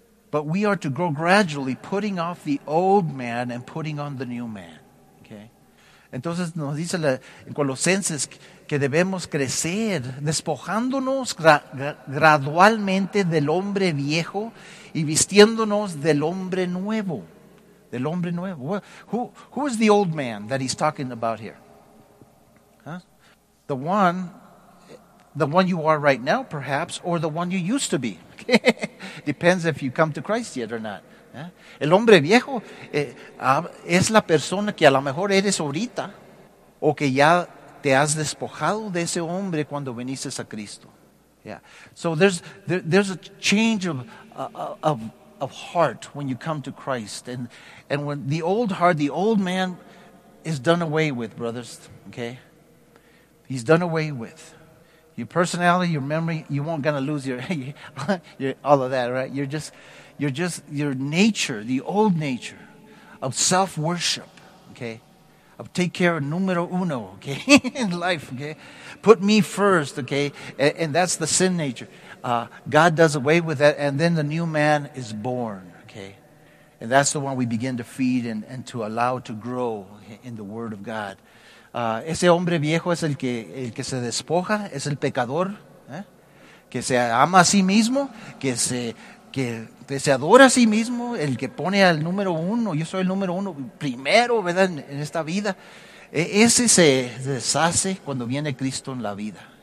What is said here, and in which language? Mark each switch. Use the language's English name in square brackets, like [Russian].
[English] But we are to grow gradually, putting off the old man and putting on the new man. Okay. [Spanish] Entonces nos dice en Colosenses que debemos crecer despojándonos gradualmente del hombre viejo y vistiéndonos del hombre nuevo. Del hombre nuevo. [English] Who is the old man that he's talking about here? Huh? The one you are right now, perhaps, or the one you used to be. Okay. Depends if you come to Christ yet or not. Yeah? [Spanish] El hombre viejo es la persona que a lo mejor eres ahorita o que ya te has despojado de ese hombre cuando viniste a Cristo. [English] Yeah. So there's a change of heart when you come to Christ, and when the old heart, the old man is done away with, brothers, okay? He's done away with. Your personality, your memory, you won't gonna lose your all of that, right? You're just your nature, the old nature of self-worship, okay? Of take care of numero uno, okay, in life, okay? Put me first, okay? And that's the sin nature. God does away with that, and then the new man is born, okay? And that's the one we begin to feed and to allow to grow in the Word of God. [Spanish] Ese hombre viejo es el que se despoja, es el pecador, que se ama a sí mismo, que se adora a sí mismo, el que pone al número uno, yo soy el número uno primero, ¿verdad?, en esta vida. Ese se deshace cuando viene Cristo en la vida.